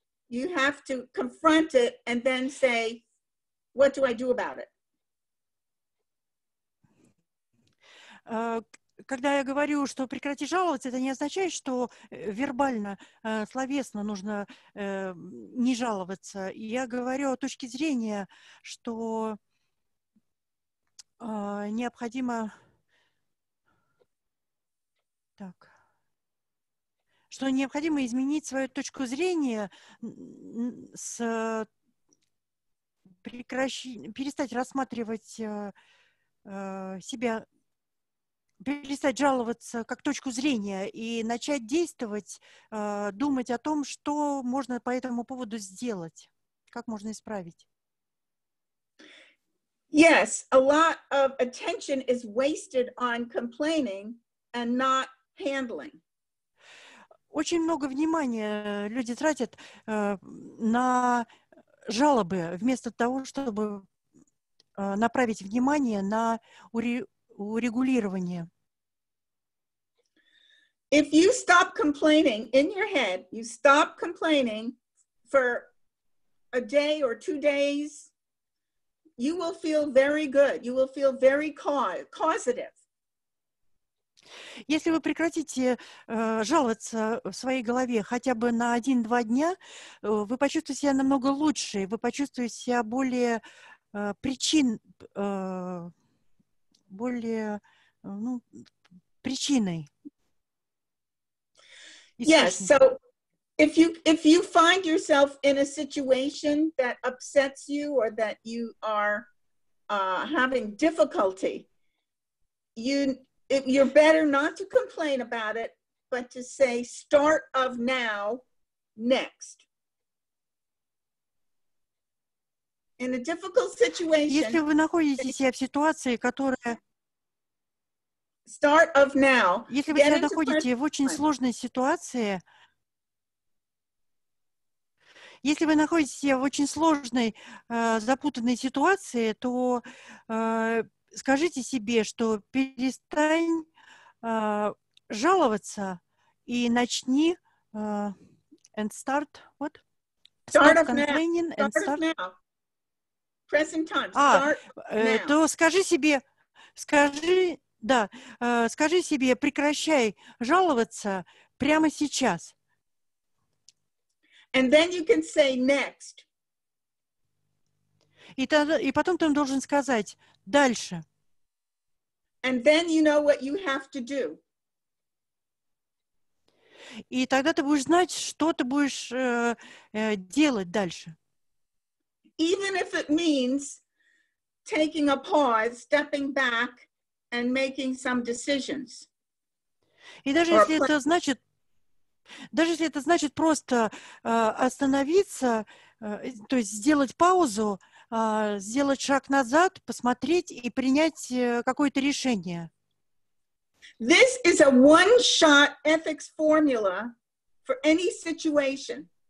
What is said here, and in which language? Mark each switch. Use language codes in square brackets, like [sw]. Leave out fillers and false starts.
[en] You have to confront it and then say, what do I do about it? [ru] Когда я говорю, что прекрати жаловаться, это не означает, что вербально, словесно нужно не жаловаться. Я говорю о точке зрения, что необходимо так, что необходимо изменить свою точку зрения с перестать рассматривать себя. Перестать жаловаться как точку зрения и начать действовать, думать о том, что можно по этому поводу сделать, как можно исправить. [en] Yes, a lot of attention is wasted on complaining and not handling. [ru] Очень много внимания люди тратят на жалобы, вместо того, чтобы направить внимание на урегулирование. [en] If you stop complaining in your head, you stop complaining for a day or 2 days, you will feel very good. You will feel very causative. [ru] Если вы прекратите жаловаться в своей голове хотя бы на 1-2 дня, вы почувствуете себя намного лучше, вы почувствуете себя более причиной. [en] Yes, so if you find yourself in a situation that upsets you or that you are having difficulty, you're better not to complain about it, but to say start of now, next. In a difficult situation. [ru] Если вы находитесь себя в ситуации, которая [en] Start of now. [ru] Если вы себя находите в очень сложной ситуации, если вы находитесь себя в очень сложной, запутанной ситуации, то скажите себе, что перестань жаловаться и начни [en] and start what? Start of now. Start of now. Present time. Start now. [ru] То скажи себе. Да, скажи себе, прекращай жаловаться прямо сейчас. [en] And then you can say next. [ru] И потом ты должен сказать дальше. [en] And then you know what you have to do. [ru] И тогда ты будешь знать, что ты будешь делать дальше. [en] Even if it means taking a pause, stepping back, and making some decisions. [ru] И даже если это значит, просто остановиться, то есть сделать паузу, сделать шаг назад, посмотреть и принять какое-то решение. [en] This is a one-shot ethics formula for any situation.